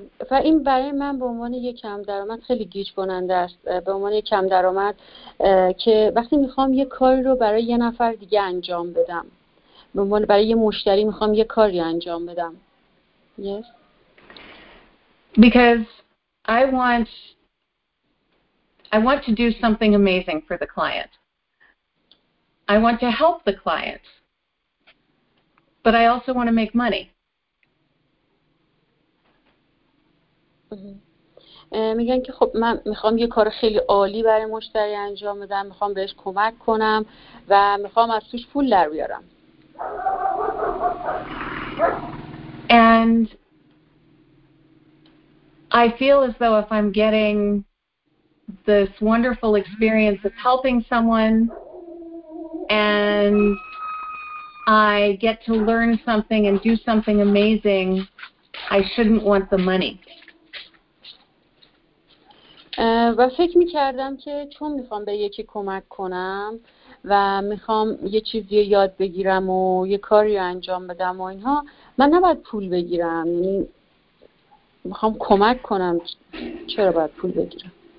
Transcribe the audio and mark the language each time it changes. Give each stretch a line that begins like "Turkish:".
Persian: و این برای من به عنوان یک کم درآمد خیلی گیج کننده است. به عنوان یک کم درآمد که وقتی میخوام یک کاری رو برای یه نفر دیگه انجام بدم. به عنوان برای یه مشتری میخوام یک کاری انجام بدم.
English: Yes. Because I want to do something amazing for the client. I want to help the client. But I also want to make money.
Persian: میگن که خب من میخوام یه کار خیلی عالی برای مشتری انجام بدم، میخوام بهش کمک کنم و میخوام از توش پول در بیارم.
English: And I feel as though if I'm getting this wonderful experience of helping someone and I get to learn something and do something amazing, I shouldn't want the money.
Persian: و فکر میکردم که چون میخوام به یکی کمک کنم و میخوام یه چیزی یاد بگیرم و یه کاری انجام بدم و اینها، من نباید پول بگیرم. یعنی میخوام کمک کنم، چرا باید پول بگیرم؟